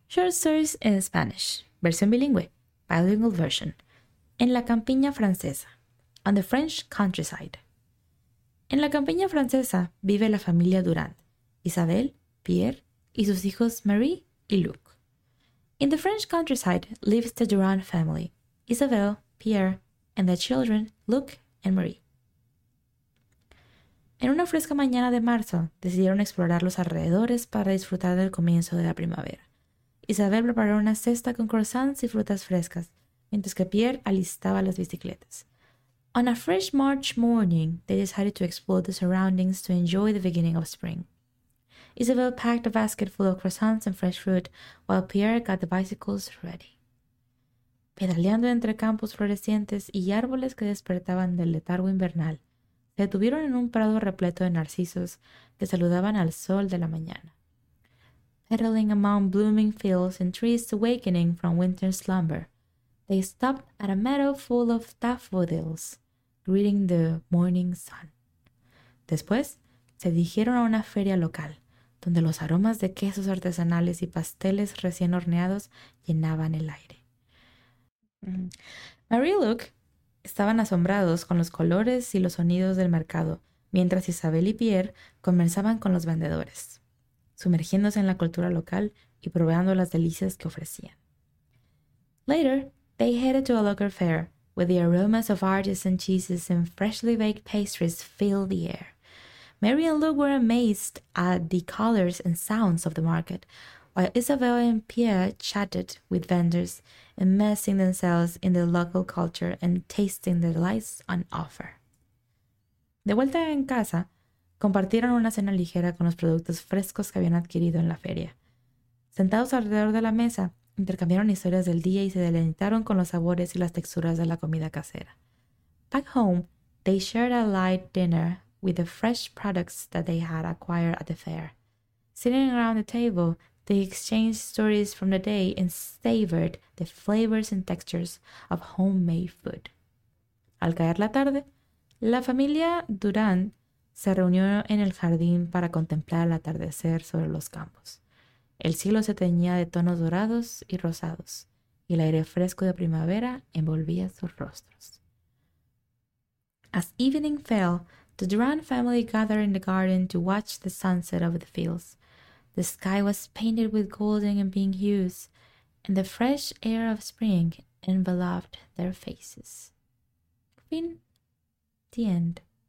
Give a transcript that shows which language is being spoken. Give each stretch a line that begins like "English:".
English: Short stories in Spanish.
Spanish: Versión bilingüe.
English: Bilingual version.
Spanish: En la campiña francesa.
English: On the French countryside.
Spanish: En la campiña francesa vive la familia Durand. Isabel, Pierre y sus hijos Marie y Luc.
English: In the French countryside lives the Durand family. Isabel, Pierre and their children Luc and Marie.
Spanish: En una fresca mañana de marzo, decidieron explorar los alrededores para disfrutar del comienzo de la primavera. Isabel preparó una cesta con croissants y frutas frescas, mientras que Pierre alistaba las bicicletas.
English: On a fresh March morning, they decided to explore the surroundings to enjoy the beginning of spring. Isabel packed a basket full of croissants and fresh fruit, while Pierre got the bicycles ready.
Spanish: Pedaleando entre campos florecientes y árboles que despertaban del letargo invernal, se detuvieron en un prado repleto de narcisos que saludaban al sol de la mañana.
English: Pedaling among blooming fields and trees awakening from winter slumber, they stopped at a meadow full of daffodils, greeting the morning sun.
Spanish: Después, se dirigieron a una feria local, donde los aromas de quesos artesanales y pasteles recién horneados llenaban el aire. Marie y Luc estaban asombrados con los colores y los sonidos del mercado, mientras Isabel y Pierre conversaban con los vendedores, sumergiéndose en la cultura local y probando las delicias que ofrecían.
English: Later, they headed to a local fair, where the aromas of artisan cheeses and freshly baked pastries filled the air. Marie and Luc were amazed at the colors and sounds of the market, while Isabel and Pierre chatted with vendors, immersing themselves in the local culture and tasting the delights on offer.
Spanish: De vuelta en casa, compartieron una cena ligera con los productos frescos que habían adquirido en la feria. Sentados alrededor de la mesa, intercambiaron historias del día y se deleitaron con los sabores y las texturas de la comida casera.
English: Back home, they shared a light dinner with the fresh products that they had acquired at the fair. Sitting around the table, they exchanged stories from the day and savored the flavors and textures of homemade food.
Spanish: Al caer la tarde, la familia Durand se reunió en el jardín para contemplar el atardecer sobre los campos. El cielo se teñía de tonos dorados y rosados, y el aire fresco de primavera envolvía sus rostros.
English: As evening fell, the Durand family gathered in the garden to watch the sunset over the fields. The sky was painted with golden and pink hues, and the fresh air of spring enveloped their faces. Fin. The end.